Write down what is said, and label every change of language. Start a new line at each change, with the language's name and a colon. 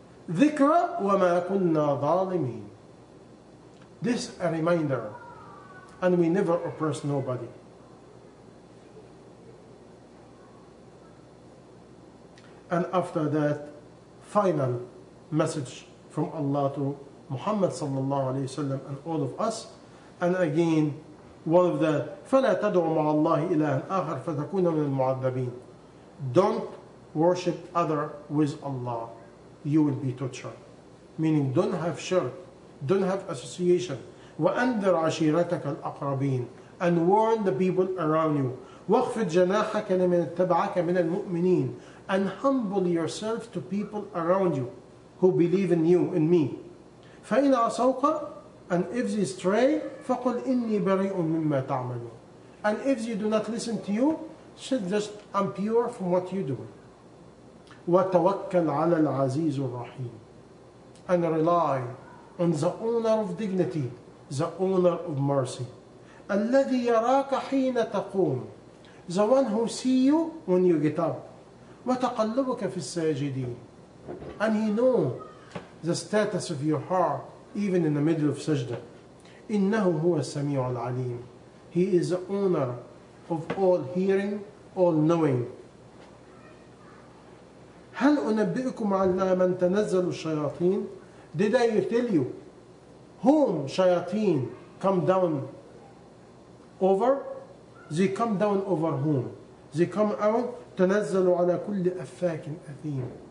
Arabic: ذِكْرَ وَمَا كُنَّا ظَالِمِينَ.
English: This is a reminder. And we never oppress nobody. And after that, final message from Allah to Muhammad sallallahu alayhi wa sallam and all of us. And again, one of the
Arabic: فَلَا تَدْعُ مَعَ اللَّهِ إِلَٰهًا آخَرَ فَتَكُونَ مِنَ الْمُعَذَّبِينَ.
English: Don't worship other with Allah. You will be tortured. Meaning, don't have shirk. Don't have association.
Arabic: وَأَنذِرْ عَشِيرَتَكَ الْأَقْرَبِينَ.
English: And warn the people around you.
Arabic: وَخْفِضْ جَنَاحَكَ لِمَنِ اتَّبَعَكَ مِنَ الْمُؤْمِنِينَ.
English: And humble yourself to people around you who believe in you, in me.
Arabic: فَإِنْ عَصَوْكَ.
English: And if they stray,
Arabic: فَقُلْ إِنِّي بَرِيءٌ مِمَّا تَعْمَلُونَ.
English: And if they do not listen to you, say just, I'm pure from what you do.
Arabic: وَتَوَكَّلْ عَلَى الْعَزِيزُ الرَّحِيمِ.
English: And rely on the owner of dignity, the owner of mercy.
Arabic: الَّذِي يَرَاكَ حِينَ تَقُومُ.
English: The one who see you when you get up.
Arabic: وَتَقَلُّبُكَ فِي السَّاجِدِينَ.
English: And he know the status of your heart, even in the middle of sajda.
Arabic: إِنَّهُ هُوَ السَّمِيعُ الْعَلِيمُ.
English: He is the owner of all hearing, all knowing.
Arabic: هَلْ أُنَبِّئُكُمْ عَلَى مَنْ تَنَزَّلُ الشَّيَاطِينَ.
English: Did I tell you whom shayateen come down over? They come down over whom? They come out,
Arabic: تَنَزَّلُ عَلَى كُلِّ أَفَّاكٍ أَثِيمٍ.